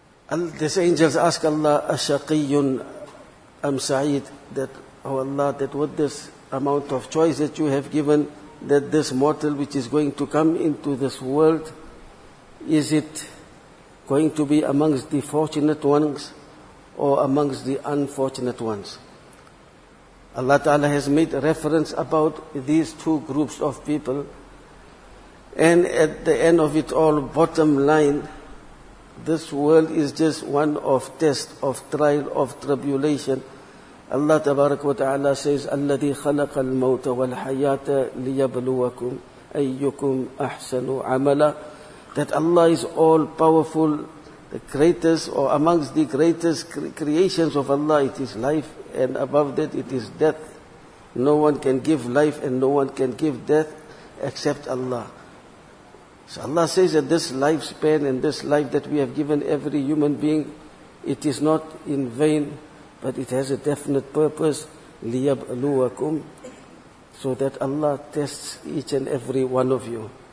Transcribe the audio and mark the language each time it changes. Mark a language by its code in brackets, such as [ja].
[en] These angels ask Allah, ashaqiyun am sa'id, that, oh Allah, that with this amount of choice that you have given, that this mortal which is going to come into this world, is it going to be amongst the fortunate ones or amongst the unfortunate ones? Allah Ta'ala has made reference about these two groups of people. And at the end of it all, bottom line, this world is just one of test, of trial, of tribulation. Allah Tabarak wa Ta'ala says, [ar] الَّذِي خَلَقَ الْمَوْتَ وَالْحَيَاةَ لِيَبْلُوَكُمْ أَيُّكُمْ أَحْسَنُ عَمَلًا. [en] That Allah is all powerful, the greatest, or amongst the greatest creations of Allah, it is life, and above that it is death. No one can give life and no one can give death except Allah. So Allah says that this lifespan and this life that we have given every human being, it is not in vain, but it has a definite purpose, لِيَبْلُوَكُمْ, so that Allah tests each and every one of you.